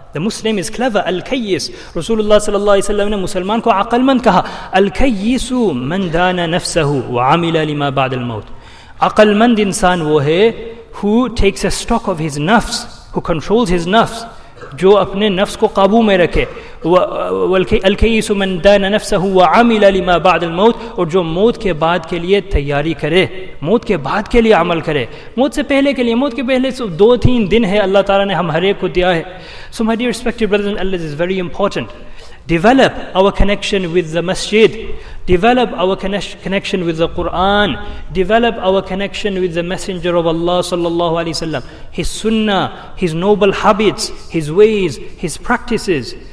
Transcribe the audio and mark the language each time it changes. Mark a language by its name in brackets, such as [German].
[English] The Muslim is clever. Al-Kayyis. Rasulullah sallallahu alayhi wa sallam, [Urdu] Musliman ko aqal man kaha. [Arabic] Al-Kayyisu man dana nafsahu wa amila lima ba'd al-maut. [Urdu] Aqal man insan wo hai, [English] who takes a stock of his nafs, [Urdu] who controls his nafs, jo apne nafs ko qabu mein rakhe. [Arabic] الکیس من دان نفسه وعمل لما بعد الموت, [Urdu] اور جو موت کے بعد کے لیے تیاری کرے, موت کے بعد کے لیے عمل کرے, موت سے پہلے کے لیے, موت کے پہلے سے دو تین دن ہے اللہ تعالیٰ نے ہم ہر ایک کو دیا ہے. [English] So my dear respected brothers and sisters, is very important, develop our connection with the masjid, develop our connection with the Quran, develop our connection with the messenger of Allah sallallahu alaihi wasallam, his sunnah, his noble habits, his ways, his practices.